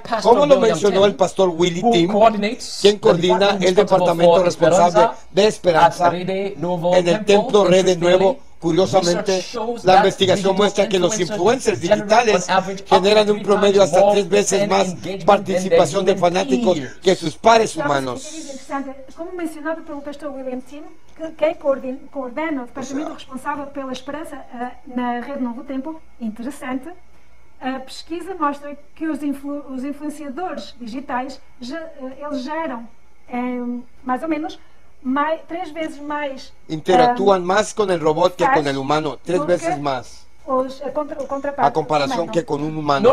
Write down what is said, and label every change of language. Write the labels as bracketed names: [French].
[Spanish] ¿cómo lo mencionó el pastor Willy Tim, quien coordina el departamento responsable de Esperanza en el Templo Rede Nuevo? Curiosamente, la investigación muestra que los influencers digitales generan un promedio hasta 3 veces más participación de fanáticos que sus pares humanos. [Portuguese] Como mencionado pelo pastor William Tim, que coordena o departamento responsável pela esperança na rede Novo Tempo, interessante, a pesquisa mostra que os influenciadores digitais eles geram mais ou menos. [Spanish] Tres veces más interactúan más con el robot que con el humano, tres veces más contra a comparación que con un humano.